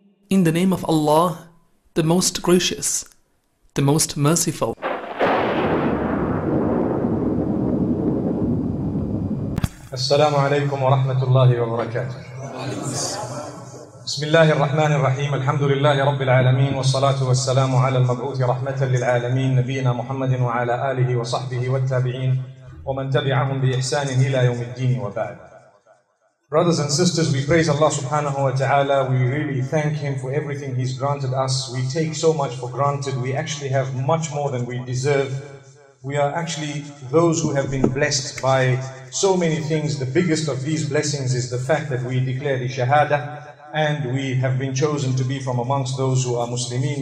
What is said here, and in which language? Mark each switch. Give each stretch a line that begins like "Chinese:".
English: In the name of Allah, the Most Gracious, the Most Merciful.
Arabic: السلام عليكم ورحمة الله وبركاته. بسم الله الرحمن الرحيم. الحمد لله رب العالمين والصلاة والسلام على المبعوث رحمة للعالمين نبينا محمد وعلى آله وصحبه والتابعين ومن تبعهم بإحسان إلى يوم الدين وبعد.
English: Brothers and sisters, we praise Allah subhanahu wa ta'ala. We really thank Him for everything He's granted us. We take so much for granted. We actually have much more than we deserve. We are actually those who have been blessed by so many things. The biggest of these blessings is the fact that we declare the shahada and we have been chosen to be from amongst those who are Muslimin.